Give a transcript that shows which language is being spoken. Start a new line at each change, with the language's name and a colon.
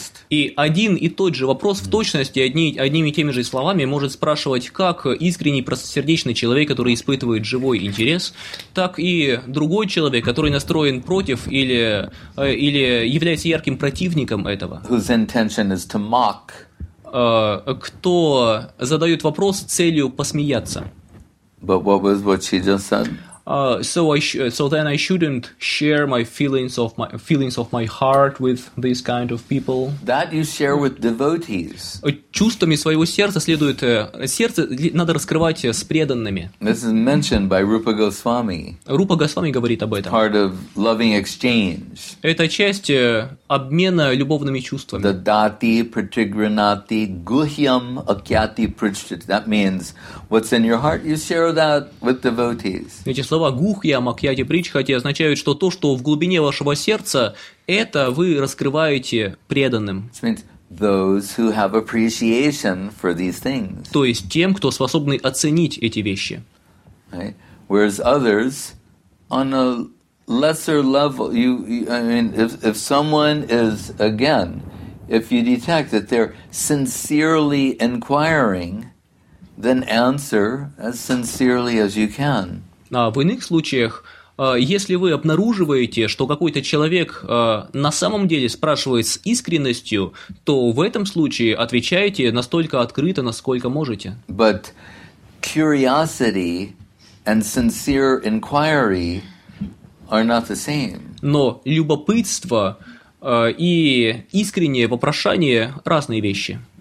Russian: И один и тот же вопрос в точности одними и теми же словами может спрашивать как искренний, простосердечный человек, который испытывает живой интерес, так и другой человек, который настроен против или является ярким противником этого.
English: Whose intention is to mock.
Russian: Кто задает вопрос с целью посмеяться.
English: But what was what she just said? So then I shouldn't share my feelings of my heart with this kind of people. That you share with devotees.
Russian: Чувствами своего сердца следует сердце надо раскрывать с преданными.
English: This is mentioned by Rupa Goswami.
Russian: Рупа Госвами говорит об этом.
English: Part of loving exchange.
Russian: Это часть обмена любовными чувствами.
Sanskrit: Dadati pratigranati guhyam akyati prachit.
English: That means what's in your heart, you share that with devotees.
Russian: Слова «гухья», «макьяти», «причхати» означают, что то, что в глубине вашего сердца, это вы раскрываете преданным.
English: Those who have appreciation for these things.
Russian: То есть тем, кто способны оценить эти вещи.
English: Right? Whereas others, on a lesser level, if someone is, again, if you detect that they're sincerely inquiring, then answer as sincerely as you can.
Russian: В иных случаях, если вы обнаруживаете, что какой-то человек на самом деле спрашивает с искренностью, то в этом случае отвечайте настолько открыто, насколько можете.
English: But curiosity and sincere inquiry are not the same.
Russian: Но любопытство и искреннее вопрошание – разные вещи.